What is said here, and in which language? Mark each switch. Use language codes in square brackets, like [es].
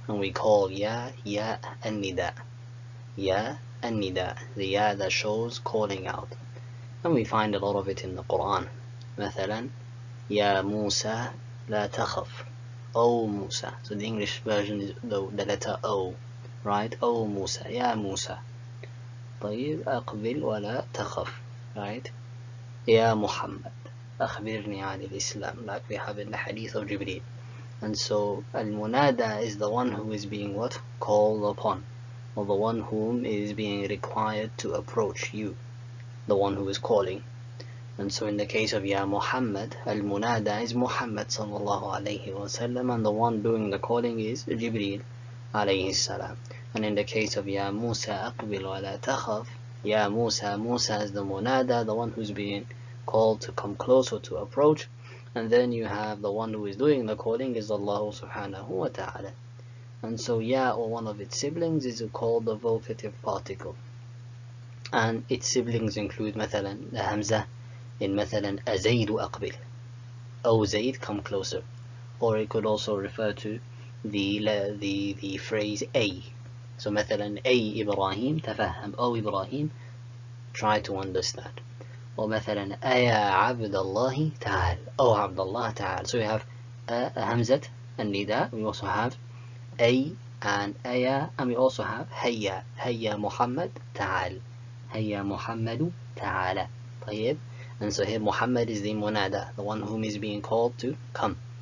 [en] And we call ya, ya an-nida. Ya an-nida, the ya that shows calling out. And we find a lot of it in the Quran. Mathalan, [ar] ya Musa la takhaf. [en] O Musa. So the English version is the letter O, right? O Musa, ya Musa. [ar] طيب أقبل ولا تخف, [en] right? [ar] يا محمد أخبرني عن الإسلام, [en] like we have in the hadith of Jibreel. And so المنادي is the one who is being what? Called upon, or the one whom is being required to approach you, the one who is calling. And so in the case of يا محمد, المنادي is محمد صلى الله عليه وسلم, and the one doing the calling is Jibreel عليه السلام. And in the case of Ya Musa [ar] أقبل ولا تخف, [en] Ya Musa, Musa is the Munada, the one who's being called to come closer, to approach. And then you have the one who is doing the calling is Allah subhanahu wa ta'ala. And so Ya, or one of its siblings, is called the vocative particle. And its siblings include مثلاً the Hamza in مثلاً [ar] أزيد أقبل, [en] O Zaid, come closer. Or it could also refer to the phrase A. [ar] So مثلاً أي إبراهيم تفهم, أو إبراهيم, [en] try to understand. [ar] ومثلاً أيا عبد الله تعال, أو عبد الله تعال. [en] So we have همزة النداء, we also have أي and أيا, and we also have هيا, [ar] هيا محمد تعال, هيا محمد تعال. [en] طيب, and so here محمد is the منادى, the one whom is being called to come.